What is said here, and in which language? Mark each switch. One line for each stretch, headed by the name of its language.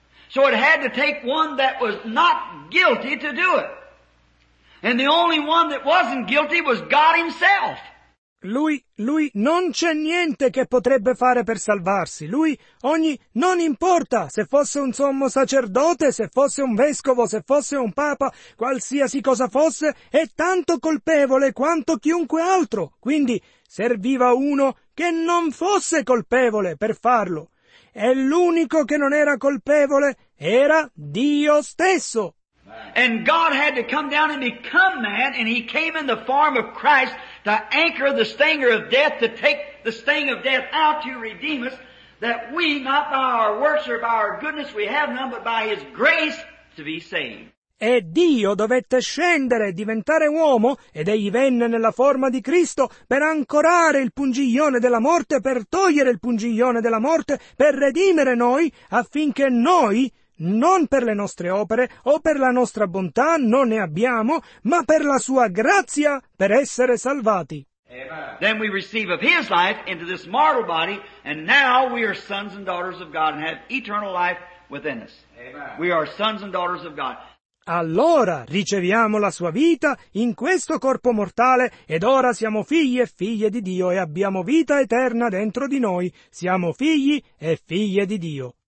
English: So it had to take one that was not guilty to do it. And the only one that wasn't guilty was God himself.
Italian: Lui, non c'è niente che potrebbe fare per salvarsi. Lui, non importa se fosse un sommo sacerdote, se fosse un vescovo, se fosse un papa, qualsiasi cosa fosse, è tanto colpevole quanto chiunque altro. Quindi serviva uno che non fosse colpevole per farlo. E l'unico che non era colpevole era Dio stesso.
English: And God had to come down and become man, and he came in the form of Christ to anchor the stinger of death, to take the sting of death out, to redeem us, that we, not by our works or by our goodness, we have none, but by his grace to be saved.
Italian: E Dio dovette scendere e diventare uomo, ed egli venne nella forma di Cristo per ancorare il pungiglione della morte, per togliere il pungiglione della morte, per redimere noi, affinché noi, non per le nostre opere o per la nostra bontà, non ne abbiamo, ma per la sua grazia, per essere salvati.
English: Then we receive of his life into this mortal body, and now we are sons and daughters of God and have eternal life within us. We are sons and daughters of God.
Italian: Allora riceviamo la sua vita in questo corpo mortale, ed ora siamo figli e figlie di Dio e abbiamo vita eterna dentro di noi. Siamo figli e figlie di Dio.